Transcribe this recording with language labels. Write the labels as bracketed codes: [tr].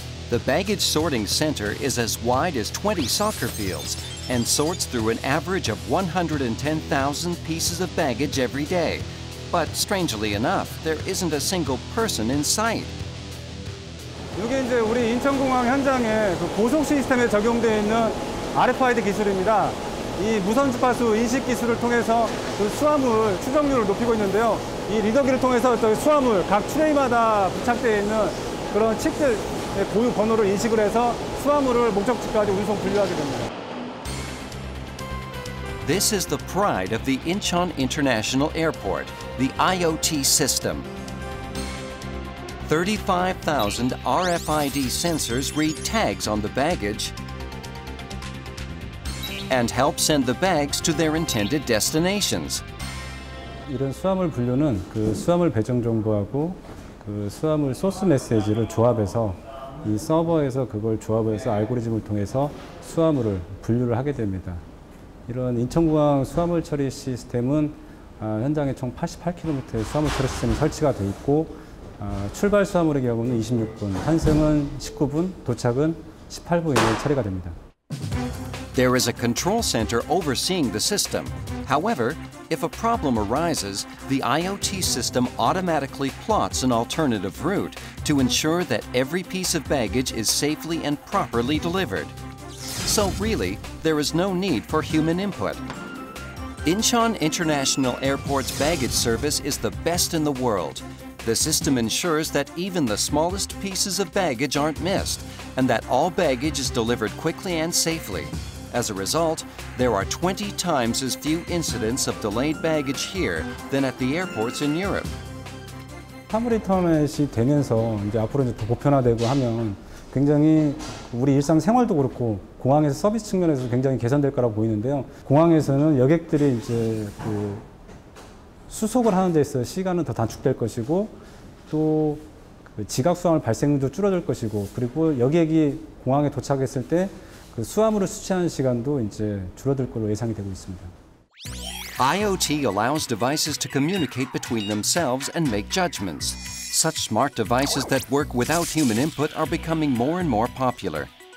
[en] The baggage sorting center is as wide as 20 soccer fields and sorts through an average of 110,000 pieces of baggage every day. But strangely enough, there isn't a single person in sight. [ko] 이게 이제 우리 인천공항 현장에 그 고속 시스템에 적용되어 있는 RFID 기술입니다. 이 무선 주파수 인식 기술을 통해서 그 수화물 추적률을 높이고 있는데요. 이 리더기를 통해서 저희 수화물 각 트레이마다 부착되어 있는 그런 칩들의 고유 번호를 인식을 해서 수화물을 목적지까지 운송 분류하게 됩니다. [en] This is the pride of the Incheon International Airport, the IoT system. 35,000 RFID sensors read tags on the baggage and help send the bags to their intended destinations. [ko] 이런 수화물 분류는 그 수화물 배정 정보하고 그 수화물 소스 메시지를 조합해서 이 서버에서 그걸 조합해서 알고리즘을 통해서 수화물을 분류를 하게 됩니다. 이런 인천공항 수화물 처리 시스템은 현장에 총 88km의 수화물 처리 시스템이 설치가 되어 있고 출발 수화물의 경우는 26분, 환승은 19분, 도착은 18분 이내에 처리가 됩니다. [en] There is a control center overseeing the system. However, if a problem arises, the IoT system automatically plots an alternative route to ensure that every piece of baggage is safely and properly delivered. So really, there is no need for human input. Incheon International Airport's baggage service is the best in the world. The system ensures that even the smallest pieces of baggage aren't missed and that all baggage is delivered quickly and safely. As a result, there are 20 times as few incidents of delayed baggage here than at the airports in Europe. [ko] 화물 인터넷이 되면서 이제 앞으로 이제 더 보편화되고 하면 굉장히 우리 일상 생활도 그렇고 공항에서 서비스 측면에서 굉장히 개선될 거라고 보이는데요. 공항에서는 여객들이 이제 그 수속을 하는 데 있어 시간은 더 단축될 것이고 또 그 지각 수화물 발생도 줄어들 것이고 그리고 여객이 공항에 도착했을 때 그 수화물을 수취하는 시간도 이제 줄어들 걸로 예상이 되고 있습니다. [en] IoT allows devices to communicate between themselves and make judgments. Such smart devices that work without human input are becoming more and more popular.